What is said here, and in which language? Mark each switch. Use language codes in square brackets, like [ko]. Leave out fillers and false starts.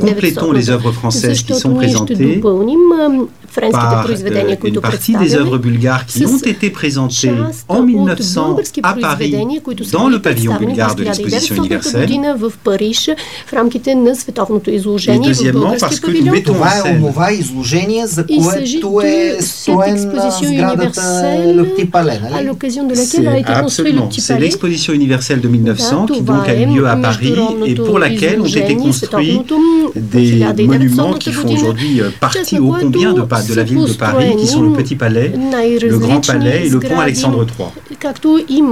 [fr] nous complétons les œuvres françaises qui sont présentées par une partie des œuvres bulgares qui ont été présentées en 1900 à Paris dans le pavillon bulgare de l'exposition universelle. Et deuxièmement, parce que [bg] това е онова изложение, за което е строена сградата Le Petit Palais, нали? [fr] Absolument, c'est l'exposition universelle de 1900 qui donc a eu lieu à Paris et pour laquelle ont été construits des monuments qui font aujourd'hui partie au combien de pas de la ville de Paris, qui sont le Petit Palais, le Grand Palais et le pont Alexandre III.